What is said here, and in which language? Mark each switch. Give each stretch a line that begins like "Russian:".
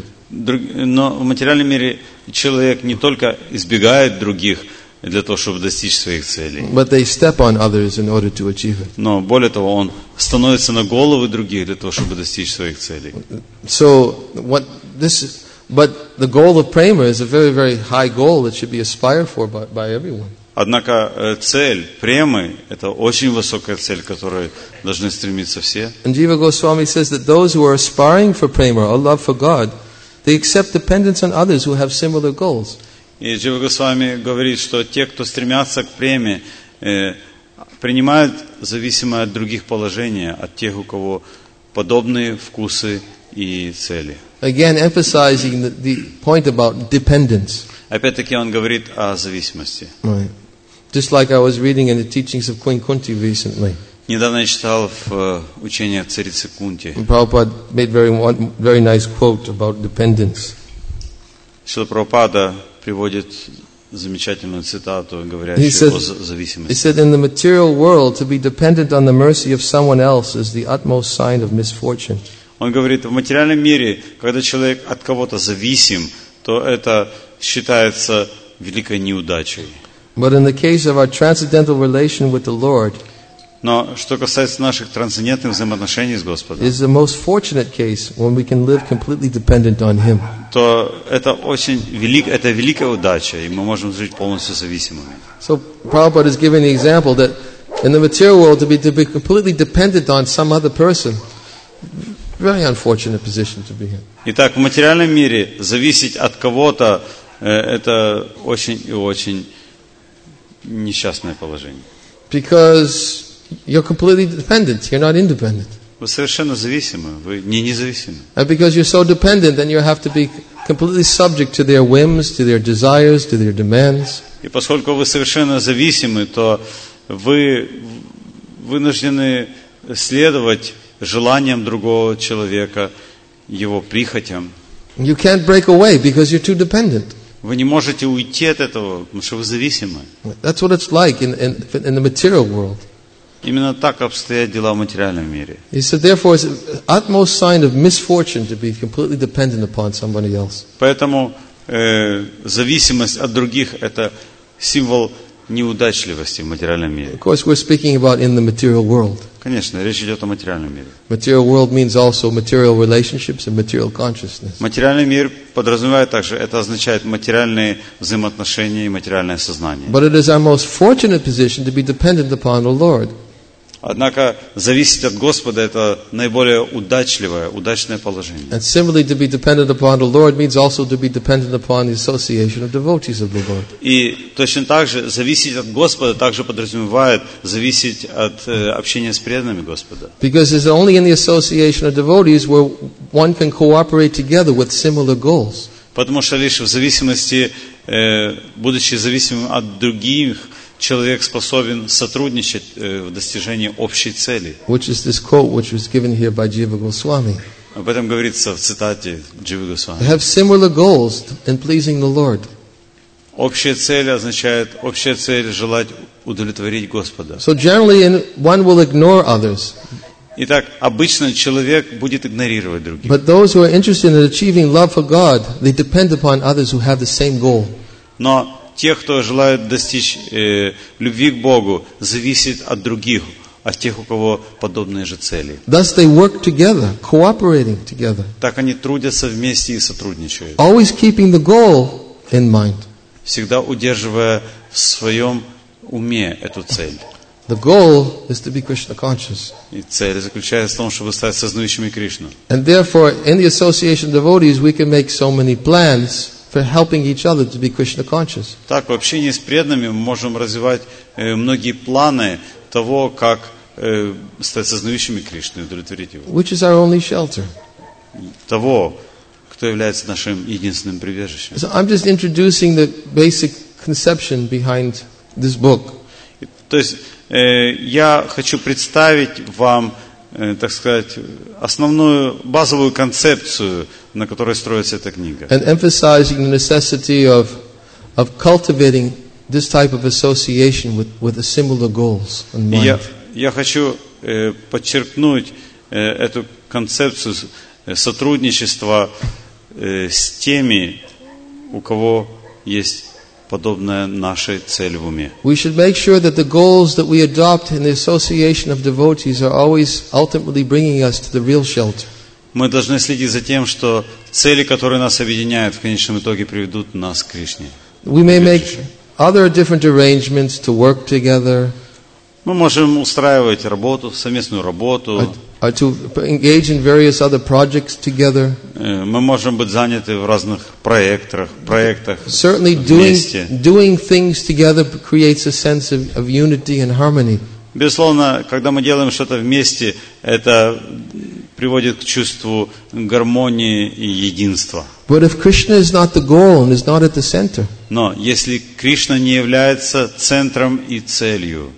Russian: Но в материальном мире человек не только избегает других для того, чтобы достичь своих целей.
English: But they step on others in order to achieve it.
Russian: Но более того, он становится на головы других для того, чтобы достичь своих целей.
English: So what this is, but the goal of prema is a very, very high goal that should be aspired for by everyone.
Russian: Однако цель премы это очень высокая цель, к которой должны стремиться все.
English: And Jiva Goswami says that those who are aspiring for prema, a love for God, they accept dependence on others who have similar goals.
Russian: И Джива Госвами говорит, что те, кто стремятся к преме, принимают зависимое от других положения, от тех, у кого подобные вкусы и цели.
English: Again, emphasizing the point about dependence.
Russian: Опять-таки он говорит о зависимости.
English: Right. Just like I was reading in the teachings of Queen Kunti recently.
Russian: Недавно я читал в учении царицы Кунти.
English: Prabhupada made very very nice quote about dependence.
Russian: Шрила Прабхупада приводит замечательную цитату, говорящую о зависимости.
English: He said, in the material world, to be dependent on the mercy of someone else is the utmost sign of misfortune.
Russian: Он говорит, в материальном мире, когда человек от кого-то зависим, то это считается великой неудачей.
English: But in the case of our transcendental relation with the Lord,
Russian: но что касается наших трансцендентных взаимоотношений с Господом,
English: is the most fortunate case when we can live completely dependent on Him.
Russian: То это очень великая удача, и мы можем жить полностью зависимыми.
English: So Prabhupada is giving the example that in the material world to be completely dependent on some other person, very unfortunate position to be in.
Russian: Итак, в материальном мире зависеть от кого-то это очень и очень несчастное положение.
English: Because you're completely dependent. You're not independent.
Russian: Вы совершенно зависимы. Вы не независимы.
English: And because you're so dependent, then you have to be completely subject to their whims, to their desires, to their demands.
Russian: И поскольку вы совершенно зависимы, то вы вынуждены следовать желаниям другого человека, его прихотям.
English: You can't break away because you're too dependent.
Russian: Вы не можете уйти от этого, потому что вы зависимы.
English: That's what it's like in the material world.
Russian: Именно так обстоят дела в материальном мире.
English: He said, therefore, it's the utmost sign of misfortune to be completely dependent upon somebody else.
Russian: Поэтому зависимость от других – это символ неудачливости в материальном мире.
English: Of course, we're speaking about in the material world.
Russian: Конечно, речь идет о материальном мире.
English: Material world means also material relationships and material consciousness.
Russian: Материальный мир подразумевает также, это означает материальные взаимоотношения и материальное сознание.
English: But it is our most fortunate position to be dependent upon the Lord.
Russian: Однако зависеть от Господа это наиболее удачливое, удачное положение.
English: And similarly, to be dependent upon the Lord means also to be dependent upon the association of devotees of the Lord.
Russian: И точно так же зависеть от Господа также подразумевает зависеть от общения с преданными Господа.
English: Because it's only in the association of devotees where one can cooperate together with similar goals.
Russian: Потому что лишь в зависимости, будучи зависимым от других, человек способен сотрудничать в достижении общей цели.
English: Which is this quote which was given here by Jiva Goswami.
Russian: Об этом говорится в цитате Дживы Госвами.
English: Have similar goals in pleasing the Lord.
Russian: Общая цель означает, общая цель желать удовлетворить Господа.
English: So generally one will ignore others.
Russian: Итак, обычно человек будет игнорировать других.
English: But those who are interested in achieving love for God, they depend upon others who have the same goal.
Russian: Но тех, кто желает достичь любви к Богу, зависит от других, от тех, у кого подобные же цели.
English: Thus they work together, cooperating together.
Russian: Так они трудятся вместе и сотрудничают.
English: Always keeping the goal in mind.
Russian: Всегда удерживая в своем уме эту цель.
English: The goal is to be Krishna conscious.
Russian: И цель заключается в том, чтобы стать сознающими Кришну.
English: And therefore, in the association of devotees, we can make so many plans for helping each other to be Krishna conscious.
Russian: Так, в общении с преданными мы можем развивать многие планы того, как стать сознающими Кришну и удовлетворить его.
English: Which is our only shelter.
Russian: Того, кто является нашим единственным прибежищем.
English: So I'm just introducing the basic conception behind this book.
Russian: То есть я хочу представить вам, так сказать, основную базовую концепцию, на которой строится эта книга.
English: And emphasizing the necessity of cultivating this type of association with the similar goals in mind.
Russian: Я хочу подчеркнуть эту концепцию сотрудничества с теми, у кого есть подобная нашей цели в уме.
English: We should make sure that the goals that we adopt in the association of devotees are always ultimately bringing us to the real shelter.
Russian: Мы должны следить за тем, что цели, которые нас объединяют, в конечном итоге приведут нас к Кришне.
English: We may make other different arrangements to work together.
Russian: Мы можем устраивать работу, совместную работу.
English: Or to engage in various other projects together.
Russian: Мы можем быть заняты в разных проектах вместе.
English: Certainly doing things together creates a sense of unity and harmony.
Russian: Безусловно, когда мы делаем что-то вместе, это приводит к чувству гармонии и единства.
English: But if Krishna is not the goal and is not at the center,
Russian: но если Кришна не является центром и целью,